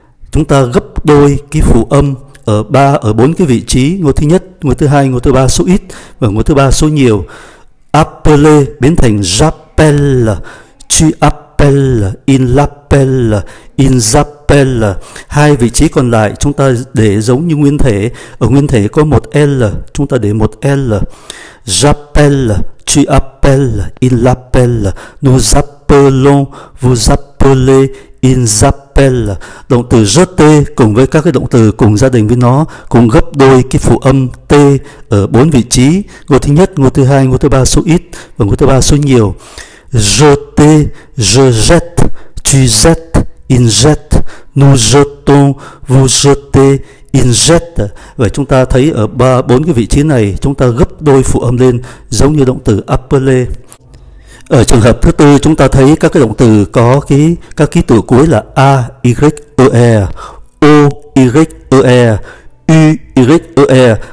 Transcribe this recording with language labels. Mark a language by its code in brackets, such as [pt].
[vi] Chúng ta gấp đôi cái phụ âm ở ba, ở bốn cái vị trí: ngôi thứ nhất, ngôi thứ hai, ngôi thứ ba số ít và ngôi thứ ba số nhiều. [fr] Appeler biến thành j'appelle, tu appelles, il appelle, il j'appelle. [vi] Hai vị trí còn lại chúng ta để giống như nguyên thể. Ở nguyên thể có một L, chúng ta để một L. [fr] J'appelle, tu appelles, il appelle, nous appelons, vous appelez, il j'appelle. [vi] Động từ jeter cùng với các cái động từ cùng gia đình với nó cùng gấp đôi cái phụ âm T ở bốn vị trí: ngôi thứ nhất, ngôi thứ hai, ngôi thứ ba số ít và ngôi thứ ba số nhiều. [fr] Jeter, je jette, tu jettes, il jette, nous jetons, vous jetez, il jette. [vi] Vậy chúng ta thấy ở ba bốn cái vị trí này chúng ta gấp đôi phụ âm lên giống như động từ appeler. Ở trường hợp thứ tư, chúng ta thấy các cái động từ có cái các ký tự cuối là a, y, e, o, y, e, u, y, e.